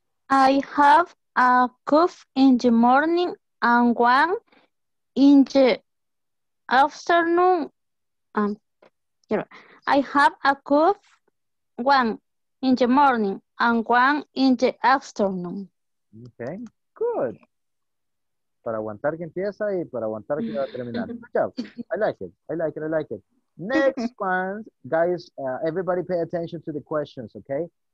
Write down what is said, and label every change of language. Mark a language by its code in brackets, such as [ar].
[en] I have a cup in the morning and one in the afternoon. I have a cup, one in the morning and one in the afternoon. Okay, good. [es] Para aguantar que empieza y para aguantar que va a terminar. [en] Good job. I like it. Next one, guys, everybody pay attention to the questions, okay?